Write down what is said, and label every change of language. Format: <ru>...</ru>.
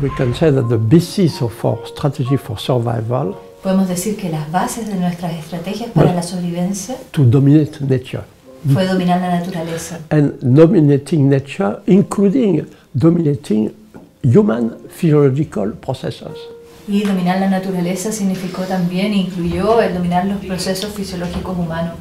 <en>We can say that the basis of our strategy for survival.</en> <es>Podemos decir que las bases de nuestras estrategias para la sobrevivencia.</es> <en>To dominate nature.</en> <es>Fue dominar la naturaleza.</es> <en>And dominating nature, including dominating human physiological processes.</en> <es>Y dominar la naturaleza significó también incluyó el dominar los procesos fisiológicos humanos.</es>